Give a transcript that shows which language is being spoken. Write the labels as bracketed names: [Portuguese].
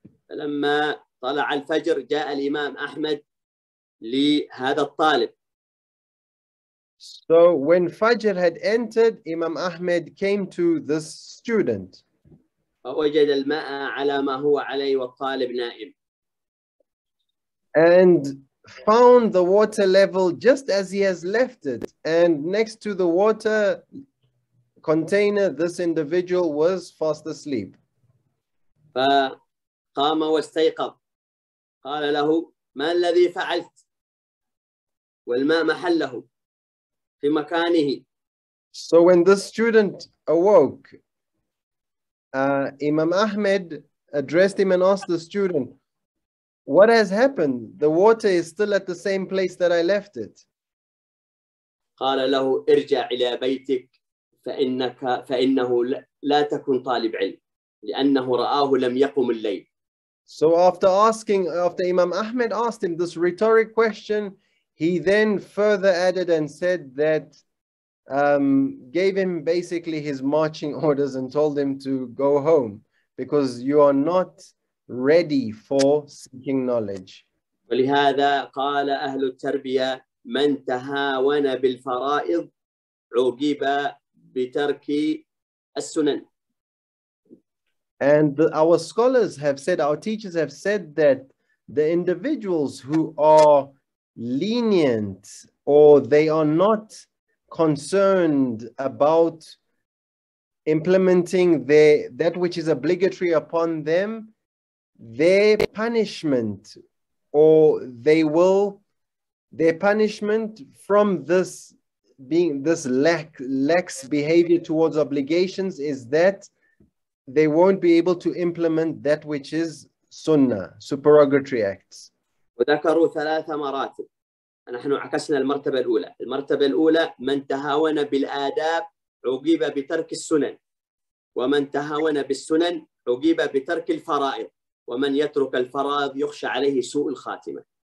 [Arabic] لما طلع الفجر جاء الإمام أحمد لهذا الطالب. [English] So when Fajr had entered, Imam Ahmed came to this student. [Arabic] فوجد الماء على ما هو عليه والطالب نائم. [English] and found the water level just as he has left it. And next to the water container, this individual was fast asleep. [Arabic] فقام واستيقظ. قال له ما الذي فعلت؟ والماء محله في مكانه. [English] So when this student awoke, Imam Ahmed addressed him and asked the student, what has happened? The water is still at the same place that I left it. [Arabic] قال له ارجع إلى بيتك فإنك فإنه لا تكن طالب علم لأنه رآه لم يقم الليل. [English] So after asking, after Imam Ahmed asked him this rhetoric question, he then further added and said that, gave him basically his marching orders and told him to go home because you are not ready for seeking knowledge. [Arabic] ولهذا قال أهل التربية من تهاون بالفرائض عوقب بترك السنن. [English] And our scholars have said, our teachers have said that the individuals who are lenient or they are not concerned about implementing that which is obligatory upon them, their punishment or they will, their punishment from this being this lax behavior towards obligations is that they won't be able to implement that which is sunnah, supererogatory acts. [Arabic] وذكروا ثلاث مراتب. نحن عكسنا المرتبة الأولى. المرتبة الأولى من تهاون بالآداب عوقب بترك السنن. ومن تهاون بالسنن عوقب بترك الفرائض. ومن يترك الفرائض يخشى عليه سوء الخاتمة.